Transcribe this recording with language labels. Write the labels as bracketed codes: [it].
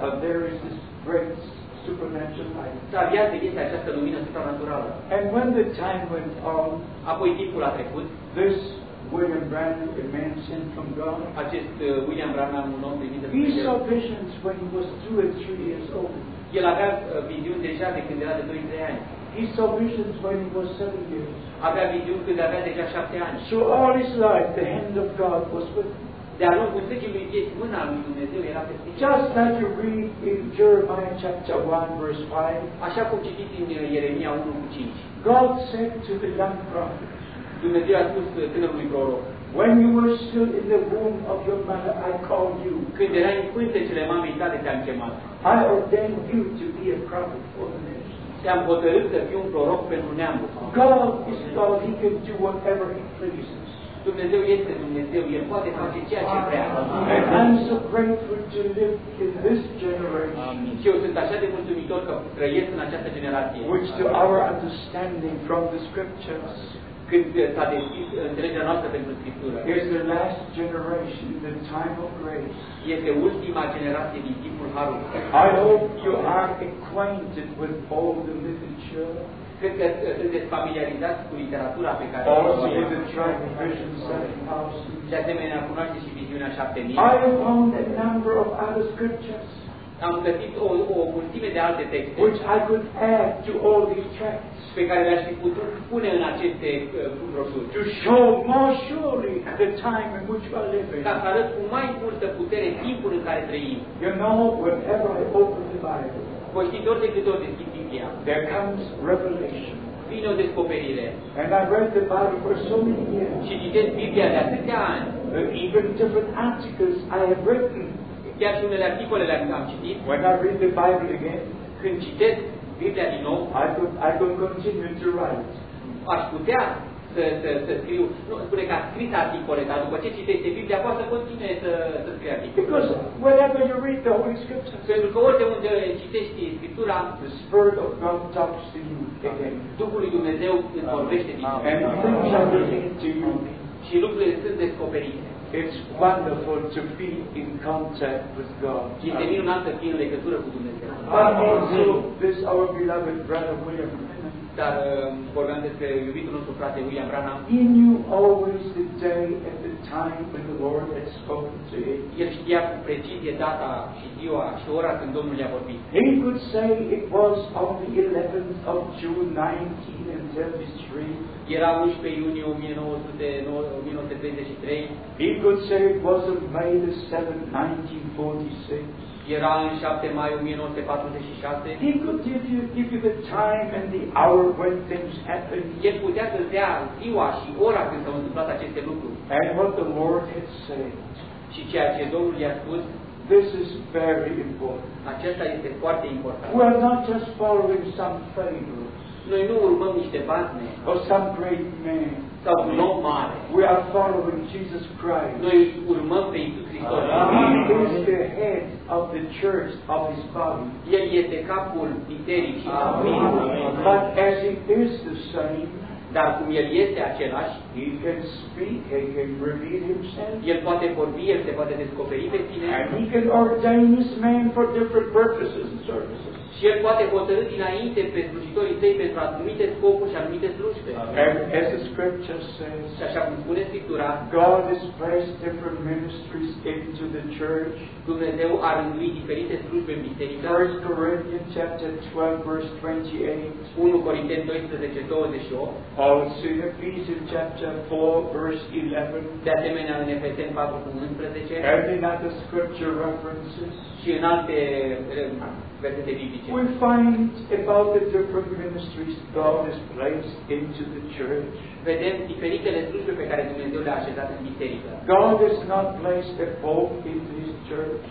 [en] But there is this great supernatural light. [ro] Dar viața este această lumină supranaturală. [en] And when the time went on, [ro] apoi timpul a trecut, [en] this William Branham, a man sent from God. [ro] Acest William Branham, un om primit de Dumnezeu. [en] He saw visions when he was 2 or 3 years old. [ro] El avea viziuni deja de când era de 2-3 ani. [en] He saw visions when he was 7 years. [ro] Avea viziuni când avea deja 7 ani. [en] So all his life, the hand of God was with him. [ro] De-a lungul întregii lui vieți, mâna lui Dumnezeu era peste. [en] Just like you read in Jeremiah chapter 1 verse 5. [ro] Așa cum citit în Ieremia 1:5. [en] God said to the young prophet. [ro] Dumnezeu a spus tânărului proroc. [en] When you were still in the womb of your mother, I called you. [ro] Când erai în pântecele mamei tale, te-am chemat. [en] I ordained you to be a prophet for the nation. [ro] Te-am hotărât să fii un proroc pentru neamul. [en] God is God, He can do whatever He pleases. [ro] Dumnezeu este Dumnezeu, El poate face ceea ce vrea. [en] I'm so grateful to live in this generation. [ro] Și eu sunt așa de mulțumitor că trăiesc în această generație. [en] Which to our understanding from the scriptures. [ro] când s-a deschis înțelegerea noastră pentru Scriptură. [en] Here's the last generation, the time of grace. [ro] Este ultima generație din timpul harului. [en] I hope you are acquainted with all the literature. [ro] Cred că sunteți familiarizați cu literatura pe care [en] also [ro] o trăiește. De asemenea, cunoașteți și viziunea 7000. [en] I have found a number of other scriptures. [ro] Am găsit o mulțime de alte texte. [en] Which I could add to all these texts. [ro] Pe care le-aș fi putut pune în aceste brosuri. [en] To show more surely the time in which we are living. [ro] Ca să arăt cu mai multă putere timpul în care trăim. [en] You know, whenever I open the Bible. [ro] Voi știți ori de câte ori deschid Biblia. [en] There comes revelation. [ro] Vine o descoperire. [en] And I read the Bible for so many years. [ro] Și citesc Biblia de atâtea ani. [en] But even different articles I have written. [ro] Chiar și unele articole le-am citit. [en] When I read the Bible again, [ro] când citesc Biblia din nou, [en] I could continue to write. [ro] Aș putea să scriu, nu spune că a scris articole, dar după ce citește Biblia, poate să continue să scrie articole. [en] Because whenever you read the Holy Scriptures, [ro] pentru că oriunde citești Scriptura, [en] the Spirit of God talks to you again. [ro] Duhul lui Dumnezeu îți vorbește din nou. [en] And things are revealed to you. [ro] Și lucrurile sunt descoperite. [en] It's wonderful to be in contact with God. [ro] Este minunat să fii în legătură cu Dumnezeu. [en] But also, this our beloved brother William. [ro] Dar vorbeam despre iubitul nostru frate William Branham. [en] He knew always the day and the time when the Lord had spoken to him. [ro] El știa cu precizie data și ziua și ora când Domnul i-a vorbit. [en] He could say it was on the 11th of June 1933. [ro] Era 11 iunie 1933. [en] He could say it was on May the 7th, 1946. [ro] Era în 7 mai 1946. [en] He could give you the time and the hour when things happened. [ro] El putea să dea ziua și ora când s-au întâmplat aceste lucruri. [en] And what the Lord had said. [ro] Și ceea ce Domnul i-a spus. [en] This is very important. [ro] Acesta este foarte important. [en] We are not just following some favors. [ro] Noi nu urmăm niște bazme. [en] Or some great men. [ro] Sau un om mare. [en] We are following Jesus Christ. [ro] Noi urmăm pe Iisus Hristos. [en] He is the head of the church of his body. [ro] El este capul bisericii. [en] Amin. But as he is the same, [ro] dar cum el este același, [en] he can speak, he can reveal himself. [ro] El poate vorbi, el se poate descoperi pe sine. [en] And he can ordain this man for different purposes and services. [ro] Și el poate hotărâ dinainte pe slujitorii săi pentru anumite scopuri și anumite slujbe. [en] As the scripture says, [ro] și așa cum spune Scriptura, [en] God has placed different ministries into the church. [ro] Dumnezeu a rânduit diferite slujbe în biserică. [en] 1 Corinthians chapter 12 verse 28. [ro] 1 Corinteni 12, 28. [en] Also in Ephesians chapter 4 verse 11. [ro] De asemenea în Efeseni 4, 11. [en] And in other scripture references. [ro] Și în alte [en] we find about the different ministries God has placed into the church. [ro] Vedem diferitele slujbe pe care Dumnezeu le-a așezat în biserică. [en] God has not placed a pope in his church.